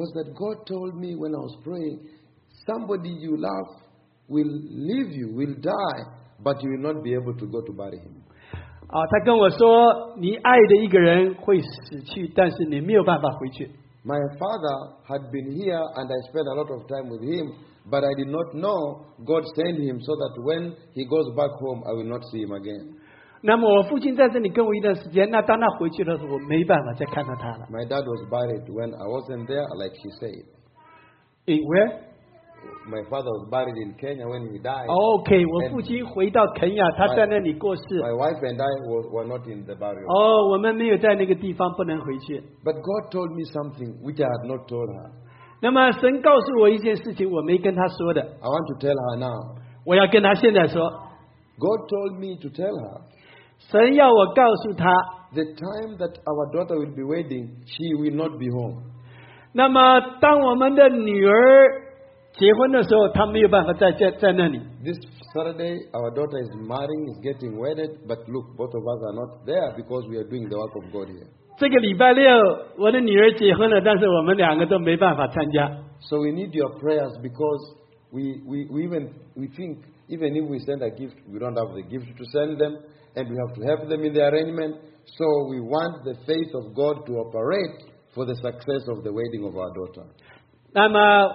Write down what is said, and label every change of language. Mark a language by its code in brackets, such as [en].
[en] Was that God told me when I was praying, somebody you love will leave you, will die, but you will not be able to go to bury him. [zh] 他跟我说，你爱的一个人会死去，但是你没有办法回去。 [en] My father had been here, and I spent a lot of time with him, but I did not know God sent him so that when he goes back home, I will not see him again. [zh] 那么我父亲在这里跟我一段时间，那当他回去的时候，我没办法再看到他了。 [en] My dad was buried when I wasn't there, like she said. In where? My father was buried in Kenya when he died. [zh] Okay, 我父亲回到肯亚，他在那里过世。 [en] My wife and I were not in the burial. [zh] 我们没有在那个地方，不能回去。 [en] But God told me something which I had not told her. [zh] 那么神告诉我一件事情，我没跟他说的。 [en] I want to tell her now. [zh] 我要跟他现在说。 [en] God told me to tell her. [zh] 神要我告诉他。 [en] The time that our daughter will be wedding, she will not be home. [zh] 那么当我们的女儿 结婚的时候，她没有办法在那里。 [en] This Saturday, our daughter is marrying, is getting wedded, but look, both of us are not there because we are doing the work of God here. [zh] 这个礼拜六，我的女儿结婚了，但是我们两个都没办法参加。 [en] So we need your prayers because we think even if we send a gift, we don't have the gift to send them, and we have to help them in the arrangement. So we want the faith of God to operate for the success of the wedding of our daughter.